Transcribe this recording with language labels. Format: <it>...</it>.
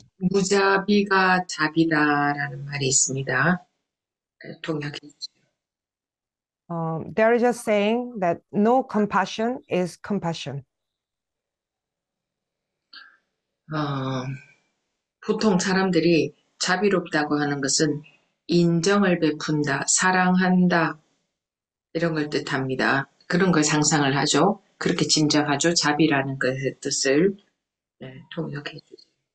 <ko>무자비가 자비다라는 말이 있습니다. 통역해 주세요.</ko> <en>There is a saying that no compassion is compassion.</en> <ko>보통 사람들이 자비롭다고 하는 것은 인정을 베푼다, 사랑한다, 이런 걸 뜻합니다. 그런 걸 상상을 하죠. 그렇게 짐작하죠. 자비라는 것의 뜻을 통역해 주세요.</ko>